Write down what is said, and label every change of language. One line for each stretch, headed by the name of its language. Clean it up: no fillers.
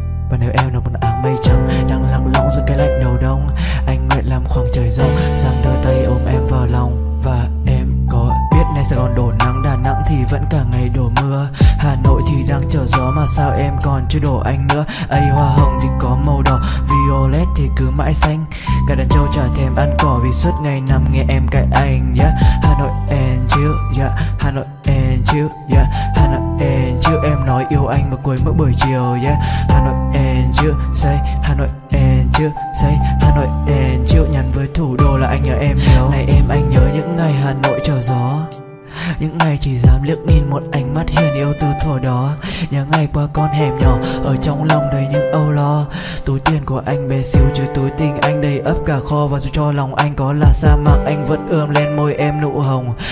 Vietnamese: Và nếu em là một áng mây trắng đang lặng lõng giữa cái lạnh đầu đông, anh nguyện làm khoảng trời rộng, giang đôi tay ôm em vào lòng. Và em có biết nay Sài Gòn đổ nắng, Đà Nẵng thì vẫn cả ngày đổ mưa, Hà Nội thì đang chờ gió mà sao em còn chưa đổ anh nữa. Ây, hoa hồng thì có màu đỏ, violet thì cứ mãi xanh, cả đàn trâu chả thèm ăn cỏ vì suốt ngày nằm nghe em cãi anh.
English: Yeah, Hà Nội and you, yeah, Hà Nội and you, yeah, Hà Nội and you.
Vietnamese: Em nói yêu anh vào cuối mỗi buổi chiều.
English: Yeah, Hà Nội and you, say Hà Nội and you, say Hà Nội and you.
Vietnamese: Nhắn với thủ đô là anh nhớ em nhiều. Này em, anh nhớ những ngày Hà Nội chờ gió, những ngày chỉ dám liếc nhìn một ánh mắt hiền yêu từ thuở đó. Nhớ ngày qua con hẻm nhỏ, ở trong lòng đầy những âu lo, túi tiền của anh bé xíu chứ túi tình anh đầy ấp cả kho. Và dù cho lòng anh có là sa mạc, anh vẫn ươm lên môi em nụ hồng.